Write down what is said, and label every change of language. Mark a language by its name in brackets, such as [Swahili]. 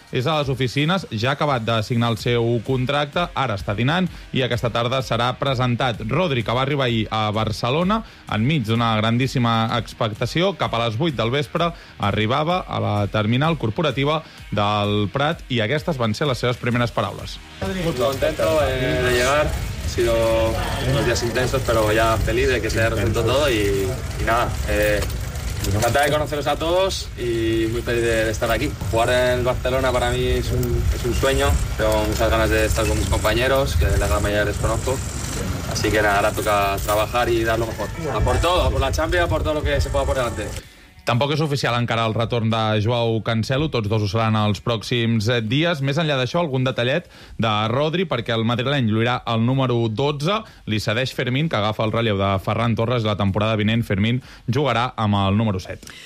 [Catalan] És a les oficines, ja ha acabat de signar el seu contracte, ara està dinant, i aquesta tarda serà presentat. Rodri, que va arribar ahir a Barcelona, enmig d'una grandíssima expectació, cap a les 8 del vespre, arribava a la terminal corporativa del Prat, i aquestes van ser les seves primeres paraules. [Spanish] Muy contento de llegar. Ha sido unos días intensos, pero ya feliz de que se haya resuelto todo, y nada, encantado de conoceros a todos y muy feliz de estar aquí. Jugar en Barcelona para mí es un sueño. Tengo muchas ganas de estar con mis compañeros, que la gran mayoría les conozco. Así que nada, ahora toca trabajar y dar lo mejor. A por todo, a por la Champions, a por todo lo que se pueda por delante. [Catalan] Tampoc és oficial encara el retorn de Joao Cancelo, tots dos ho seran els pròxims dies. Més enllà d'això, algun detallet de Rodri, perquè el madrileny lluirà el número 12, li cedeix Fermín, que agafa el relleu de Ferran Torres, i la temporada vinent Fermín jugarà amb el número 7.